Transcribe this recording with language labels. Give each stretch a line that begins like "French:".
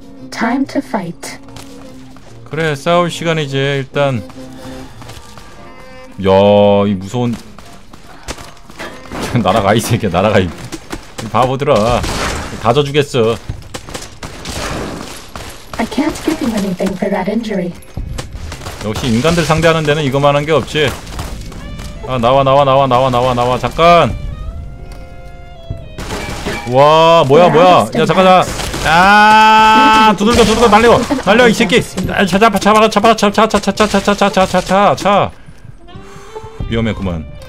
English: Time to fight.
Korean: 그래, 싸울 시간이지. 일단 야, 이 무서운 날아가 이 새끼야, 날아가 이 바보들아. 다져 주겠어.
English: I can't give you anything for that injury.
Korean: 역시 인간들 상대하는 데는 이거만한 게 없지. 아, 나와 나와 나와 나와 나와 나와. 잠깐. 와, 뭐야 뭐야. 야, 잠깐. 아, 두들겨 두들겨 날려. 날려 이 새끼. 잡아 잡아 잡아 잡아 잡아 잡아 잡아 잡아 잡아 잡아. 위험했구만.